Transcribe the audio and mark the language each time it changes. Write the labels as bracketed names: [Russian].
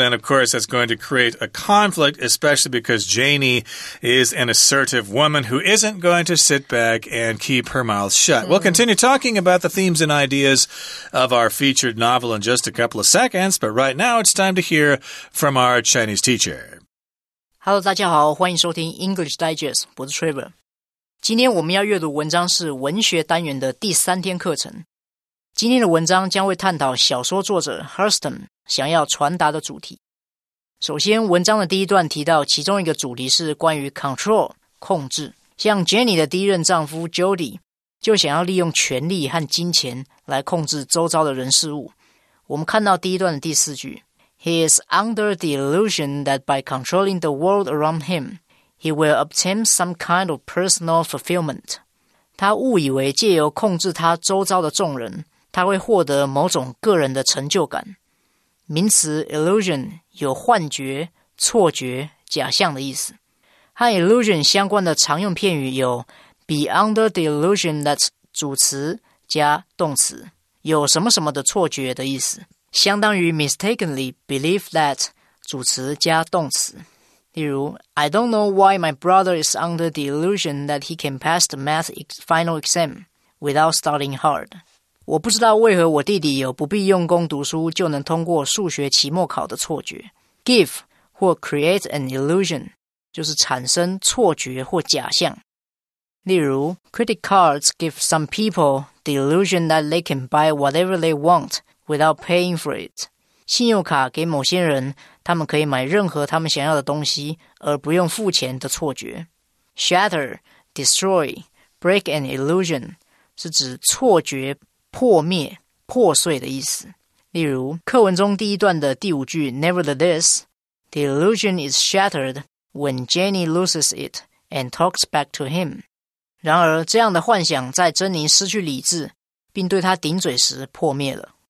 [English] And, of course, that's going to create a conflict, especially because Janie is an assertive woman who isn't going to sit back and keep her mouth shut. We'll continue talking about the themes and ideas of our featured novel in just a couple of seconds. But right now, it's time to hear from our Chinese teacher. [Chinese] Hello, 大家好，欢迎收听 English Digest. 我是 Trevor. 今天我们要阅读文章是文学单元的第三天课程。今天的文章将会探讨小说作者 Hurston 想要传达的主题。首先，文章的第一段提到其中一个主题是关于 control 控制。像 Jenny 的第一任丈夫 Jody 就想要利用权力和金钱来控制周遭的人事物。我们看到第一段的第四句 [English] ，He is under the illusion that by controlling the world around him. He will obtain some kind of personal fulfillment. [Chinese] 他误以为借由控制他周遭的众人，他会获得某种个人的成就感。名词 illusion 有幻觉、错觉、假象的意思。和 illusion 相关的常用片语有 [English] be under the illusion that [Chinese] 主词加动词，有什么什么的错觉的意思，相当于 [English] mistakenly believe that [Chinese] 主词加动词。例如 [English] I don't know why my brother is under the illusion that he can pass the math final exam without studying hard. [Chinese] 我不知道为何我弟弟有不必用功读书就能通过数学期末考的错觉。 [English] Give [Chinese] 或 [English] create an illusion [Chinese] 就是产生错觉或假象。例如 [English] credit cards give some people the illusion that they can buy whatever they want without paying for it. [Chinese] 信用卡给某些人，他们可以买任何他们想要的东西而不用付钱的错觉。 [English] Shatter, destroy, break an illusion [Chinese] 是指错觉、破灭、破碎的意思。例如课文中第一段的第五句 [English] Nevertheless, the illusion is shattered when Jenny loses it and talks back to him. [Chinese] 然而这样的幻想在珍妮失去理智并对他顶嘴时破灭了。